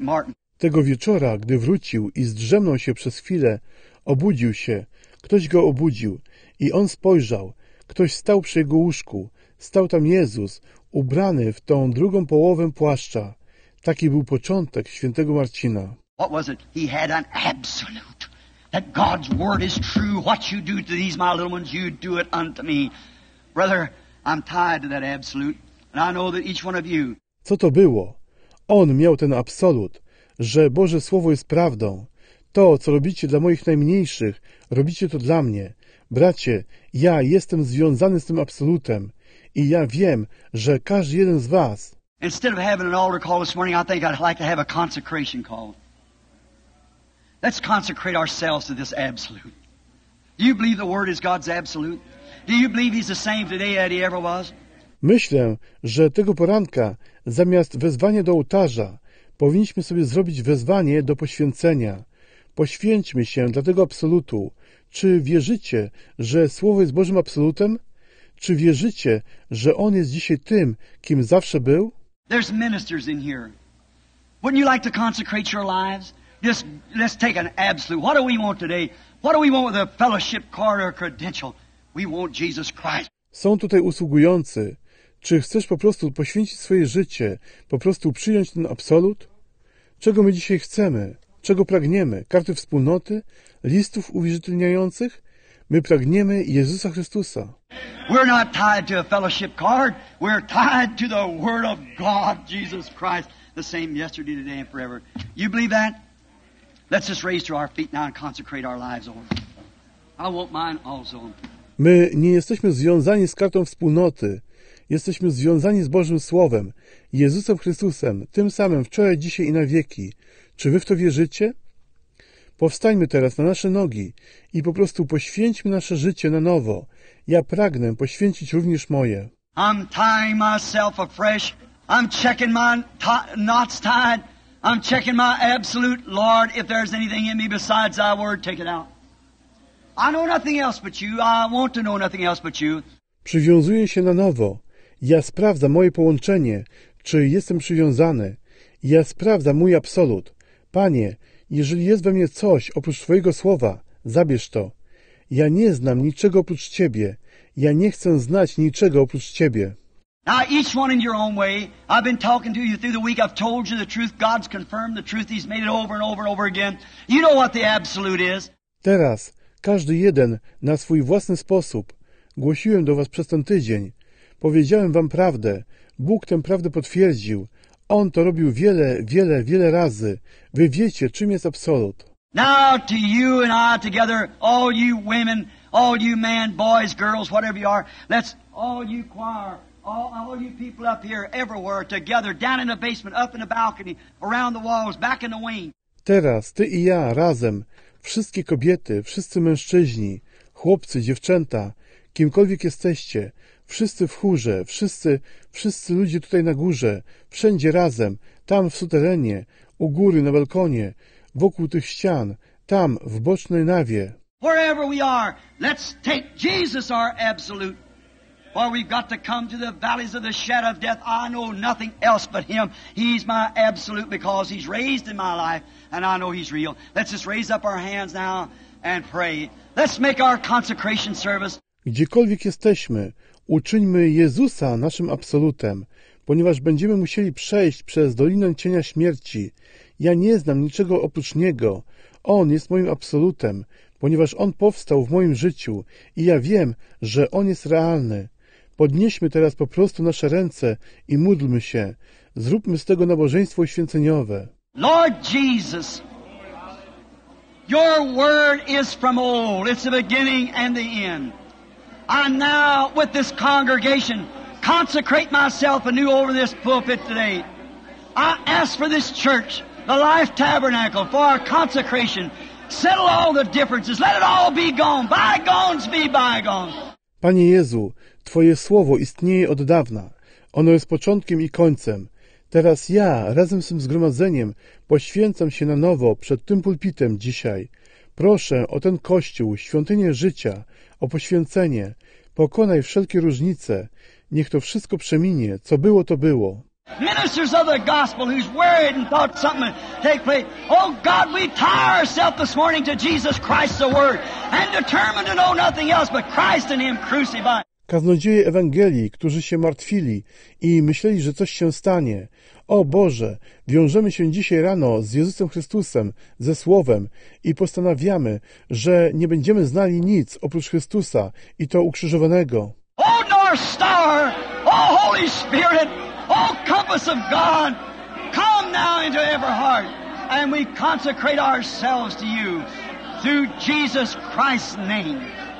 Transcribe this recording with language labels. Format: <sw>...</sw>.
<pl>Martin. Tego wieczora, gdy wrócił i zdrzemnął się przez chwilę, obudził się. Ktoś go obudził i on spojrzał. Ktoś stał przy jego łóżku. Stał tam Jezus, ubrany w tą drugą połowę płaszcza. Taki był początek świętego Marcina.</pl> <en>What was it? He had an absolute. That God's word is true. What you do to these my little ones, you do it unto me. Brother, I'm tied to that absolute. And I know that each one of you.</en> <pl>Co to było? On miał ten absolut, że Boże Słowo jest prawdą. To, co robicie dla moich najmniejszych, robicie to dla mnie. Bracie, ja jestem związany z tym absolutem i ja wiem, że każdy jeden z was...</pl> <en>Instead of having an altar call this morning, I think I'd like to have a consecration call. Let's consecrate ourselves to this absolute. Do you believe the Word is God's absolute? Do you believe He's the same today as He ever was?</en> <pl>Myślę, że tego poranka, zamiast wezwania do ołtarza, powinniśmy sobie zrobić wezwanie do poświęcenia. Poświęćmy się dla tego absolutu. Czy wierzycie, że Słowo jest Bożym absolutem? Czy wierzycie, że On jest dzisiaj tym, kim zawsze był?</pl> <en>There's ministers in here. Wouldn't you like to consecrate your lives? Just let's take an absolute. What do we want today? What do we want with a fellowship card or credential? We want Jesus Christ.</en> <pl>Są tutaj usługujący. Czy chcesz po prostu poświęcić swoje życie, po prostu przyjąć ten absolut? Czego my dzisiaj chcemy? Czego pragniemy? Karty wspólnoty? Listów uwierzytelniających? My pragniemy Jezusa Chrystusa.</pl> <en>We're not tied to a fellowship card. We're tied to the Word of God, Jesus Christ, the same yesterday, today, and forever. You believe that? Let's just raise to our feet now and consecrate our lives over. I want mine also.</en> <pl>My nie jesteśmy związani z kartą wspólnoty. Jesteśmy związani z Bożym Słowem, Jezusem Chrystusem, tym samym wczoraj, dzisiaj i na wieki. Czy wy w to wierzycie? Powstańmy teraz na nasze nogi i po prostu poświęćmy nasze życie na nowo. Ja pragnę poświęcić również moje.</pl> <en>I'm tying myself afresh. I'm checking my knots tied. I'm checking my absolute, Lord, if there's anything in me besides thy word, take it out. I know nothing else but you. I want to know nothing else but you.</en> <pl>Przywiązuję się na nowo. Ja sprawdzam moje połączenie, czy jestem przywiązany. Ja sprawdzam mój absolut. Panie, jeżeli jest we mnie coś oprócz Twojego słowa, zabierz to. Ja nie znam niczego oprócz Ciebie. Ja nie chcę znać niczego oprócz Ciebie.</pl> <en>Now each one in your own way. I've been talking to you through the week. I've told you the truth. God's confirmed the truth. He's made it over and over and over again. You know what the absolute is.</en> <pl>Teraz każdy jeden na swój własny sposób. Głosiłem do Was przez ten tydzień. Powiedziałem Wam prawdę. Bóg tę prawdę potwierdził. On to robił wiele, wiele, wiele razy. Wy wiecie, czym jest absolut.</pl> <en>Now to you and I together, all you women, all you men, boys, girls, whatever you are, let's all you choir, all you people up here, everywhere, together, down in the basement, up in the balcony, around the walls, back in the wing.</en> <pl>Teraz ty i ja razem, wszystkie kobiety, wszyscy mężczyźni, chłopcy, dziewczęta, kimkolwiek jesteście, wszyscy w chórze, wszyscy ludzie tutaj na górze, wszędzie razem, tam w suterenie, u góry, na balkonie, wokół tych ścian, tam, w bocznej nawie.</pl> <en>Wherever we are, let's take Jesus our absolute. For we've got to come to the valleys of the shadow of death. I know nothing else but Him. He's my absolute because He's raised in my life, and I know He's real. Let's just raise up our hands now and pray. Let's make our consecration service.</en> <pl>Gdziekolwiek jesteśmy, uczyńmy Jezusa naszym absolutem, ponieważ będziemy musieli przejść przez Dolinę Cienia Śmierci. Ja nie znam niczego oprócz Niego. On jest moim absolutem, ponieważ On powstał w moim życiu i ja wiem, że On jest realny. Podnieśmy teraz po prostu nasze ręce i módlmy się. Zróbmy z tego nabożeństwo święceniowe.</pl> <en>Lord Jesus, Your word is from old. It's the beginning and the end. I now, with this congregation, consecrate myself anew over this pulpit today. I ask for this church, the Life Tabernacle, for our consecration. Settle all the differences. Let it all be gone. Bygones be bygones.</en> <pl>Panie Jezu, Twoje słowo istnieje od dawna. Ono jest początkiem i końcem. Teraz ja, razem z tym zgromadzeniem, poświęcam się na nowo przed tym pulpitem dzisiaj. Proszę o ten Kościół, świątynię życia, o poświęcenie. Pokonaj wszelkie różnice. Niech to wszystko przeminie. Co było, to było.</pl> <en>Ministers of the gospel who's worried and thought something would take place. Oh God, we tie ourselves this morning to Jesus Christ the Word and determined to know nothing else but Christ and Him crucified.</en> <pl>Kaznodzieje Ewangelii, którzy się martwili i myśleli, że coś się stanie. O Boże, wiążemy się dzisiaj rano z Jezusem Chrystusem, ze Słowem i postanawiamy, że nie będziemy znali nic oprócz Chrystusa i to ukrzyżowanego.</pl> <en>O North Star, o Holy Spirit, o compass of God, come now into every heart and we consecrate ourselves to you through Jesus Christ's name.</en>